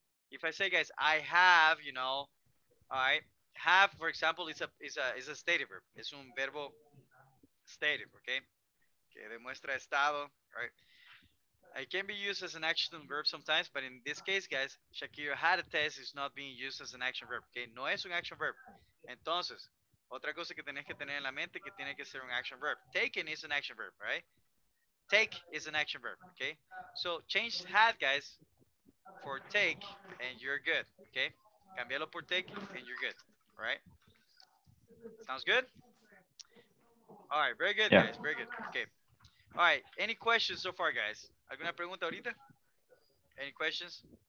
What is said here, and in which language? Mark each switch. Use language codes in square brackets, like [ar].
[en] If I say, guys, I have, you know, all right, have, for example, is a stative verb. [es] Es un verbo stative, okay? Que demuestra estado, right? [en] It can be used as an action verb sometimes, but in this case, guys, Shakira had a test is not being used as an action verb, okay? [es] No es un action verb. Entonces, otra cosa que tenés que tener en la mente que tiene que ser un action verb. [en] Taken is an action verb, right? Take is an action verb, okay? So change had, guys, for take, and you're good, okay? [es] Cambialo por [en] take, and you're good, all right? Sounds good? All right, very good, yeah. Guys, very good, okay. All right, any questions so far, guys? [es] ¿Alguna pregunta ahorita? [en] Any questions?